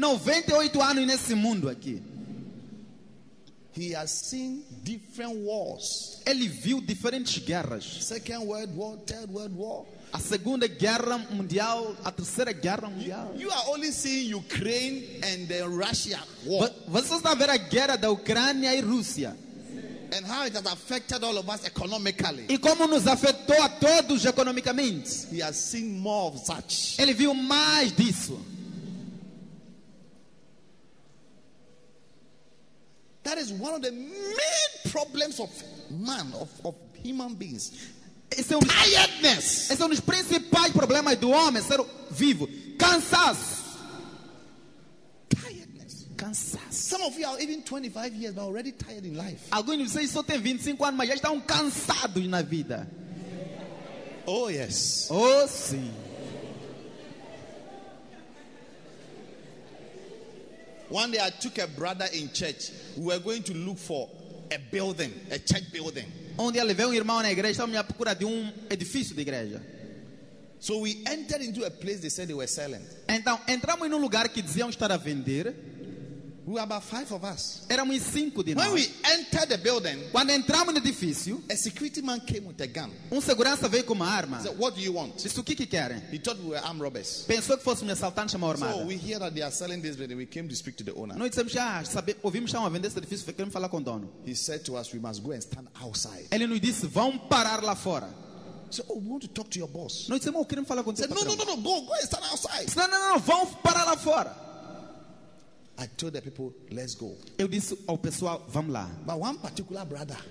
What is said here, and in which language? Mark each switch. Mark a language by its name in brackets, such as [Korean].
[Portuguese] 98 anos nesse mundo aqui. [English] He has seen different wars. [Portuguese] Ele viu diferentes guerras. [English] Second World War, Third World War. [Portuguese] A Segunda Guerra Mundial, a Terceira Guerra Mundial. [English] You are only seeing Ukraine and the Russia war. [Portuguese] Você está vendo a guerra da Ucrânia e Rússia. [English] And how it has affected all of us economically. [Portuguese] E como nos afetou a todos economicamente. [English] He has seen more of such. [Portuguese] Ele viu mais disso. [English] That is one of the main problems of man, of human beings. Tiredness. [Portuguese] Esse é um dos principais problemas do homem ser vivo. Cansaço. [English] Tiredness. [Portuguese] Cansaço. [English] Some of you are even 25 years but already tired in life. [Portuguese] Alguns de vocês só têm 25 anos, mas já estão cansados na vida. [English] Oh, yes. [Portuguese] Oh, sim. [English] One day I took a brother in church. We were going to look for a building, a church building. [Portuguese] Onde eu levei um irmão na igreja, estava à procura de um edifício de igreja. [English] So we entered into a place they said they were selling. [Portuguese] Então entramos em um lugar que diziam estar a vender. [English] We were about 5 of us. [Portuguese] Éramos 5 de nós. [English] When we entered the building, [Portuguese] quando entramos no edifício, [English] a security man came with a gun. [Portuguese] Um segurança veio com uma arma. [English] He said, "What do you want?" [Portuguese] Disse, o que querem? [English] He thought we were armed robbers. [Portuguese] Pensou que fossemos assaltantes de uma armada. [English] So we hear that they are selling this building. We came to speak to the owner. [Portuguese] Nós dissemos, ouvimos que estão a vender esse edifício, queremos falar com o dono. [English] He said to us, "We must go and stand outside." [Portuguese] Ele nos disse, vão parar lá fora. [English] So, oh, we want to talk to your boss. [Portuguese] Nós dissemos, queremos falar com o [English] patrão. No, go and stand outside. [Portuguese] Disse, não, vão parar lá fora. [English] I told the people, let's go. [Portuguese] Eu disse ao pessoal, vamos lá. [English] But one particular brother,